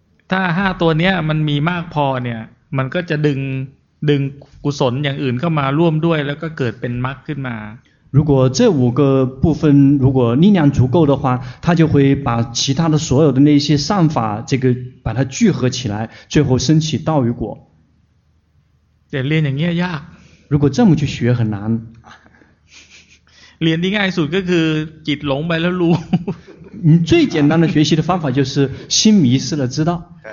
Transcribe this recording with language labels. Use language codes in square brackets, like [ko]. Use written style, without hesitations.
[th] ถ้า5ตัวเนี้ยมันมีมากพอเนี่ยมันก็จะดึงกุศลอย่างอื่นเข้ามาร่วมด้วยแล้วก็เกิดเป็นมรรคขึ้นมา [zh] 如果这五个部分如果力量足够的话它就会把其他的所有的那些善法这个把它聚合起来最后升起道与果 [th] แต่เรียนอย่างเงี้ยยาก [zh] 如果这么去学很难 [th] เรียนที่ง่ายสุดก็คือจิตหลงไปแล้วรู้ [zh] 你最简单的学习的方法就是心迷失了知道